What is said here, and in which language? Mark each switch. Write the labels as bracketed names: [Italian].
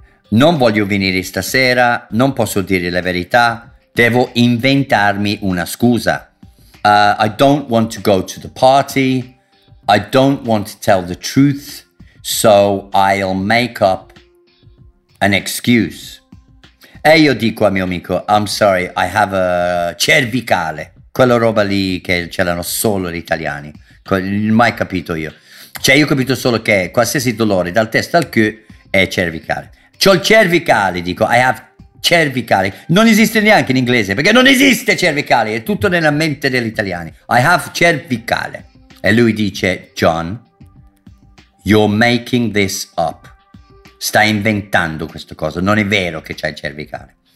[Italian] Non voglio venire stasera, non posso dire la verità, devo inventarmi una scusa. [English] I don't want to go to the party, I don't want to tell the truth, so I'll make up an excuse. [Italian] E io dico a mio amico, [English] I'm sorry, I have a cervicale. [Italian] Quella roba lì che ce l'hanno solo gli italiani. Mai capito io. Cioè io ho capito solo che qualsiasi dolore dal testa al cu è cervicale. C'ho il cervicale, dico, [English] I have cervicale. [Italian] Non esiste neanche in inglese, perché non esiste cervicale. È tutto nella mente degli italiani. [English] I have cervicale. [Italian] E lui dice, [English] John, you're making this up. [Italian] Sta inventando questa cosa, non è vero che c'è il cervicale.